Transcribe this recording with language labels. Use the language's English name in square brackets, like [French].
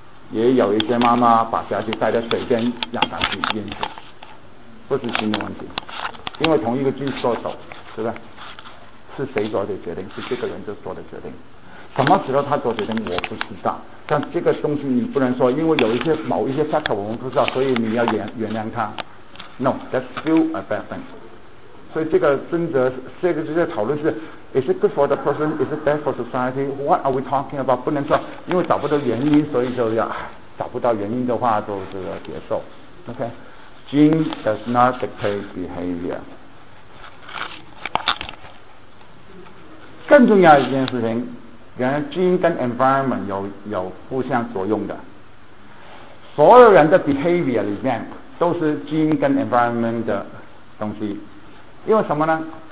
[Chinese] 也有一些妈妈把小孩子带到水边让他去淹死，不是心理问题，因为同一个Jesus做手，是吧？是谁做的决定？是这个人就做的决定。什么时候他做决定我不知道，但这个东西你不能说因为有一些某一些 factor 我们不知道，所以你要原谅他。 [English] No, that's still a bad thing. [Chinese] 所以这个真的这个讨论是 [English] Is it good for the person? Is it bad for society? What are we talking about? [Chinese] 不能说因为找不到原因所以就要找不到原因的话就是接受。 [English] OK, gene does not dictate behavior。 [Chinese] 更重要一件事情，原来基因跟 environment 有互相作用的，所有人的 behavior 里面都是基因跟 environment 的东西。因为什么呢？